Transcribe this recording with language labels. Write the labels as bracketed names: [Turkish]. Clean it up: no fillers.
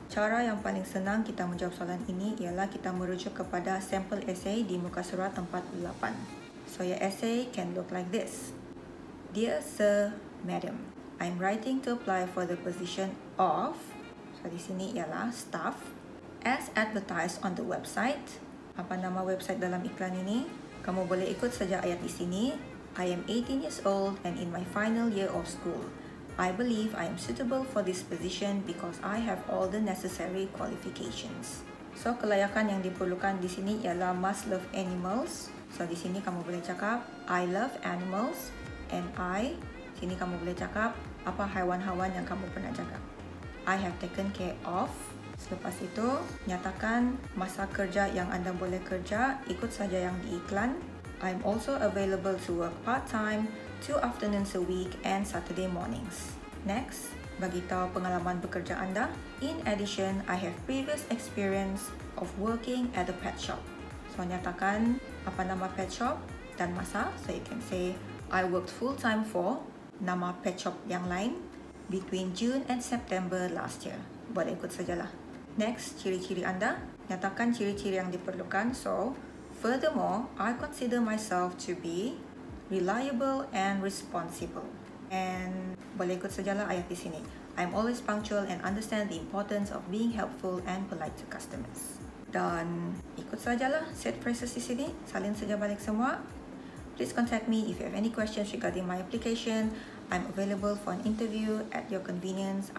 [Malay] Cara yang paling senang kita menjawab soalan ini ialah kita merujuk kepada sample essay di muka surat 48. [English] So your essay can look like this. Dear Sir, Madam, I'm writing to apply for the position of, [Malay] so di sini ialah [English] staff, as advertised on the website. [Malay] Apa nama website dalam iklan ini? Kamu boleh ikut saja ayat di sini. [English] I am 18 years old and in my final year of school. I believe I am suitable for this position because I have all the necessary qualifications. [Malay] So, kelayakan yang diperlukan di sini ialah [English] must love animals. So, [Malay] di sini kamu boleh cakap [English] I love animals and I. [Malay] Sini kamu boleh cakap apa haiwan-haiwan yang kamu pernah jaga. [English] I have taken care of. [Malay] Selepas itu, nyatakan masa kerja yang anda boleh kerja, ikut saja yang diiklan. [English] I'm also available to work part-time, 2 afternoons a week and Saturday mornings. Next, [Malay] bagitahu pengalaman bekerja anda. [English] In addition, I have previous experience of working at a pet shop. So, [Malay] nyatakan apa nama [English] pet shop dan masa. So, you can say, I worked full-time for [Malay] nama pet shop yang lain. [English] between June and September last year. [Malay] Boleh ikut sajalah. Next, ciri-ciri anda. Nyatakan ciri-ciri yang diperlukan. [English] So, furthermore, I consider myself to be reliable and responsible. [Malay] And boleh ikut sajalah ayat di sini. [English] I'm always punctual and understand the importance of being helpful and polite to customers. [Malay] Dan ikut sajalah set phrases di sini. Salin saja balik semua. [English] Please contact me if you have any questions regarding my application. I'm available for an interview at your convenience.